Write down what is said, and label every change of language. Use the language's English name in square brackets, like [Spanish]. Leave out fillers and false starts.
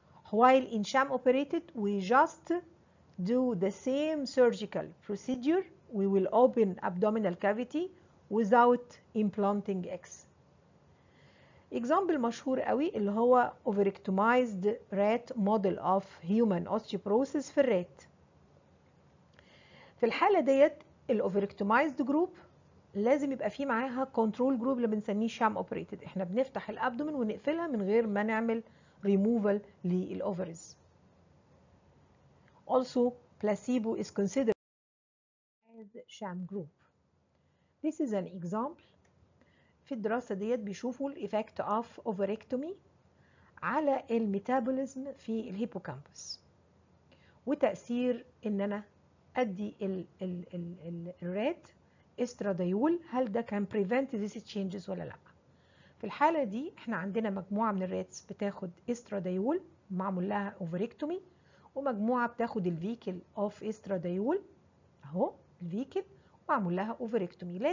[English] While in sham operated, we just do the same surgical procedure. We will open abdominal cavity without implanting X. Example [Arabic] مشهور قوي اللي هو [English] overectomized rat model of human osteoporosis [Arabic] في الرات. في الحالة ديت ال overectomized group لازم يبقى فيه معاها control group اللي بنسميه sham operated. احنا بنفتح الابدومن ونقفلها من غير ما نعمل removal للأوفرز. [English] Also placebo is considered as sham group. This is an example. [Arabic] في الدراسة ديت بيشوفوا الـ [English] effect of ovarectomy [Arabic] على الميتابوليزم في الهيبوكامبس وتأثير إن أنا أدي الريد استراديول، هل ده كان [English] prevent these changes [Arabic] ولا لأ؟ في الحالة دي إحنا عندنا مجموعة من الريدز بتاخد استراديول معمول لها ovarectomy ومجموعة بتاخد الفيكل of استراديول أهو الفيكل معمول لها ovarectomy.